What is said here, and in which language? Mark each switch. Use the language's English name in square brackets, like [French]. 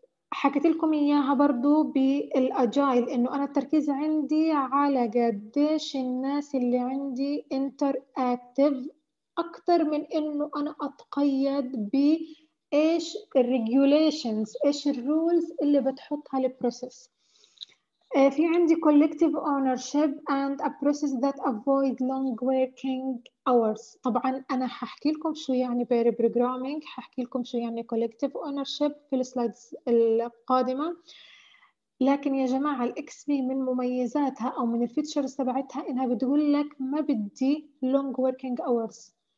[Arabic] حكيت لكم إياها برضو بالأجايل، إنه أنا التركيز عندي على قديش الناس اللي عندي interactive أكتر من إنه أنا أتقيد بإيش الـ regulations، إيش الـ rules اللي بتحطها للـ process. في عندي [English] collective ownership and a process that avoid long working hours. [Arabic] طبعاً أنا هحكي لكم شو يعني pair programming، هحكي لكم شو يعني collective ownership في السلايدز القادمة. لكن يا جماعة الـ XP من مميزاتها أو من الفيتشرز تبعتها إنها بتقول لك ما بدي [English] long working hours.